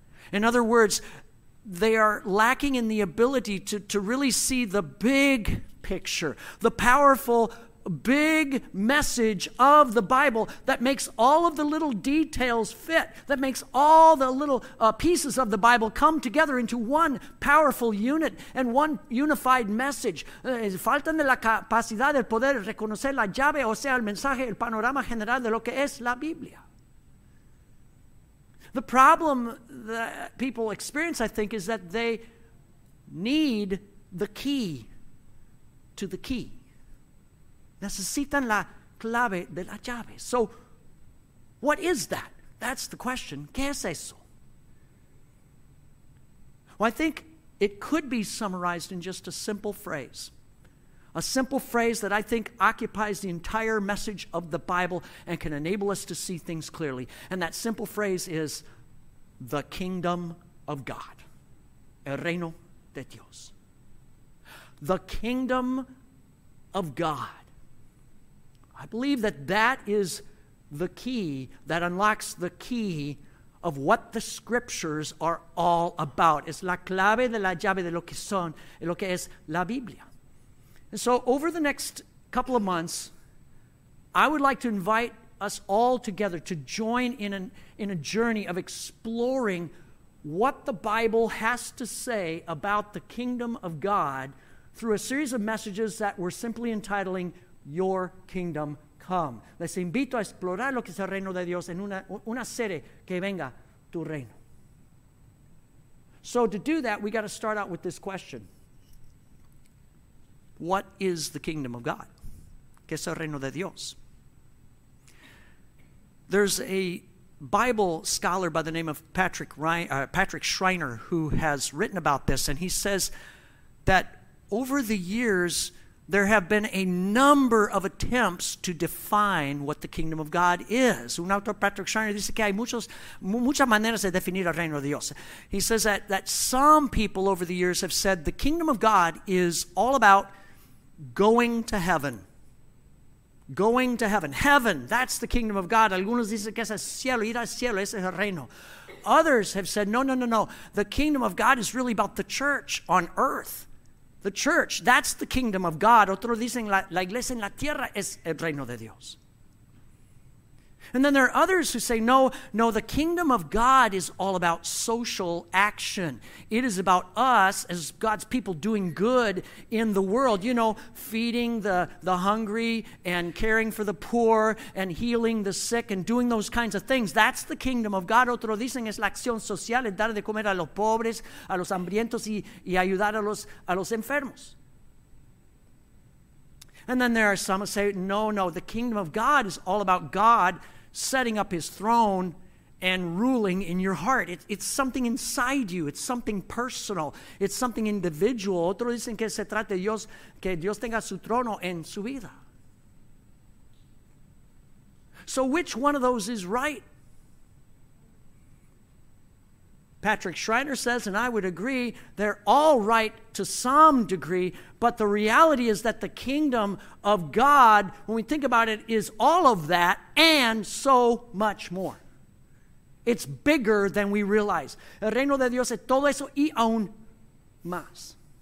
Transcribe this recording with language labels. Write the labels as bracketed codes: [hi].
[en] In other words, they are lacking in the ability to really see the big picture, the powerful, big message of the Bible that makes all of the little details fit, that makes all the little pieces of the Bible come together into one powerful unit and one unified message. [es] Faltan de la capacidad del poder reconocer la llave, o sea, el mensaje, el panorama general de lo que es la Biblia. [en] The problem that people experience, I think, is that they need the key to the key. [es] Necesitan la clave de la llave. [en] So, what is that? That's the question. [es] ¿Qué es eso? [en] Well, I think it could be summarized in just a simple phrase. A simple phrase that I think occupies the entire message of the Bible and can enable us to see things clearly. And that simple phrase is, the kingdom of God. [es] El reino de Dios. [en] The kingdom of God. I believe that that is the key that unlocks the key of what the scriptures are all about. [es] Es la clave de la llave de lo que son, lo que es la Biblia. [en] And so over the next couple of months, I would like to invite us all together to join in a journey of exploring what the Bible has to say about the kingdom of God through a series of messages that we're simply entitling Your Kingdom Come. [es] Les invito a explorar lo que es el reino de Dios en una serie que venga tu reino. [en] So to do that, we got to start out with this question. What is the kingdom of God? [es] ¿Qué es el reino de Dios? [en] There's a Bible scholar by the name of Patrick Schreiner who has written about this, and he says that over the years, there have been a number of attempts to define what the kingdom of God is. [es] Un autor, Patrick Schreiner, dice que hay muchas maneras de definir el reino de Dios. [en] He says that some people over the years have said the kingdom of God is all about going to heaven. Going to heaven. Heaven, that's the kingdom of God. [es] Algunos dicen que es el cielo, ir al cielo, ese es el reino. [en] Others have said, no. The kingdom of God is really about the church on earth. The church, that's the kingdom of God. [es] Otros dicen, la iglesia en la tierra es el reino de Dios. [en] And then there are others who say, no, the kingdom of God is all about social action. It is about us as God's people doing good in the world. You know, feeding the hungry and caring for the poor and healing the sick and doing those kinds of things. That's the kingdom of God. [es] Otros dicen es la acción social, el dar de comer a los pobres, a los hambrientos y ayudar a los enfermos. [en] And then there are some who say, no, the kingdom of God is all about God setting up his throne and ruling in your heart. It's something inside you. It's something personal. It's something individual. [es] Otros dicen que se trata de Dios, que Dios tenga su trono en su vida. [en] So which one of those is right? Patrick Schreiner says, and I would agree, they're all right to some degree, but the reality is that the kingdom of God, when we think about it, is all of that and so much more. It's bigger than we realize. [es] El reino de Dios es todo eso y aún más.